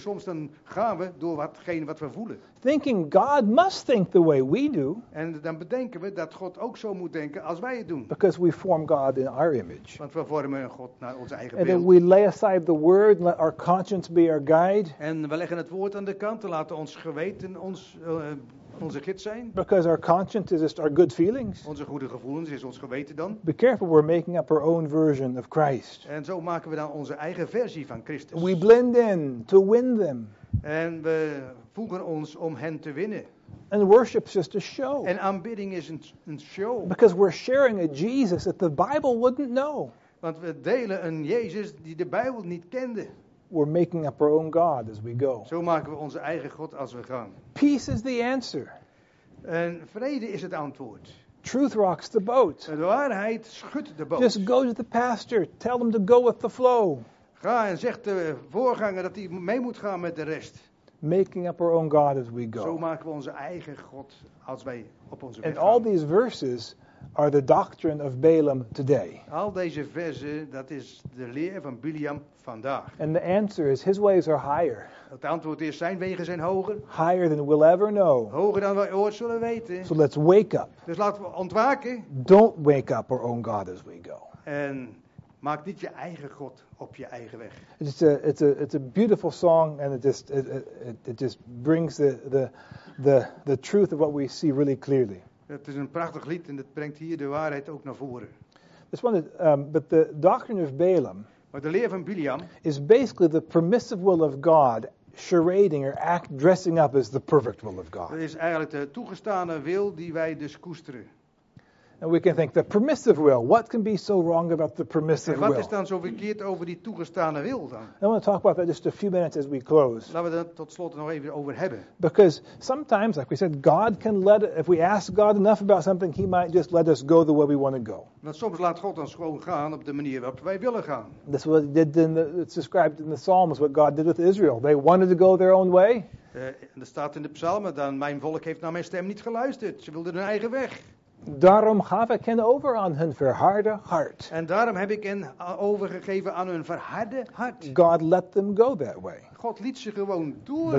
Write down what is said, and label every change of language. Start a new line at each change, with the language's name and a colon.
Dutch: Soms dan gaan we door watgene wat we voelen.
English: Thinking God must think the way we do.
Dutch: En dan bedenken we dat God ook zo moet denken als wij het doen.
English: Because we form God in our image.
Dutch: Want we vormen God naar onze eigen
English: and
Dutch: beeld.
English: And then we lay aside the word and let our conscience be our guide.
Dutch: En we leggen het woord aan de kant en laten ons geweten onze gids zijn.
English: Because our conscience is just our good feelings.
Dutch: Onze goede gevoelens is ons geweten dan.
English: Be careful, we're making up our own version of Christ.
Dutch: En zo maken we dan onze eigen versie van Christus.
English: We blend in to win them.
Dutch: En we voegen ons om hen te winnen.
English: And worship is just a show.
Dutch: En aanbidding is een show.
English: Because we're sharing a Jesus that the Bible wouldn't know.
Dutch: Want we delen een Jezus die de Bijbel niet kende.
English: We're making up our own God as we go.
Dutch: Zo maken we onze eigen God als we gaan.
English: Peace is the answer.
Dutch: En vrede is het antwoord.
English: Truth rocks the boat.
Dutch: De waarheid schudt de boot.
English: Just go to the pastor. Tell him to go with the flow.
Dutch: Ga en zeg de voorganger dat hij mee moet gaan met de rest.
English: Making up our own God as we go.
Dutch: Zo maken we onze eigen God als wij op onze weg
English: and
Dutch: gaan.
English: And all these verses are the doctrine of Balaam today?
Dutch: Al deze verzen, dat is de leer van Balaam vandaag.
English: And the answer is, his ways are higher.
Dutch: Het antwoord is, zijn wegen zijn hoger.
English: Higher than we'll ever know.
Dutch: Hoger dan we ooit zullen weten.
English: So let's wake up.
Dutch: Dus laten we ontwaken.
English: Don't wake up our own God as we go.
Dutch: En maak niet je eigen God op je eigen weg.
English: It's a beautiful song and it just brings the truth of what we see really clearly.
Dutch: Het is een prachtig lied en dat brengt hier de waarheid ook naar voren.
English: This one, but the doctrine of Balaam.
Dutch: Maar de leer van Balaam
English: is basically the permissive will of God charading or act dressing up as the perfect will of God.
Dutch: Dat is eigenlijk de toegestane wil die wij dus koesteren.
English: And we can think the permissive will. What can be so wrong about the permissive will?
Dutch: Wat is dan zo verkeerd over die toegestane wil dan?
English: I want to talk about that just a few minutes as we close.
Dutch: Laten we dat tot slot nog even over hebben.
English: Because sometimes, like we said, God can let. If we ask God enough about something, He might just let us go the way we want to go.
Dutch: Want soms laat God ons gewoon gaan op de manier waarop wij willen gaan.
English: That's what did in the. It's described in the Psalms what God did with Israel. They wanted to go their own way.
Dutch: Er staat in de Psalmen dan: mijn volk heeft naar mijn stem niet geluisterd. Ze wilden hun eigen weg. Daarom gaf ik hen over aan hun verharde hart. En daarom heb ik hen overgegeven aan hun verharde hart.
English: God let them go that way.
Dutch: God liet ze gewoon doorgaan.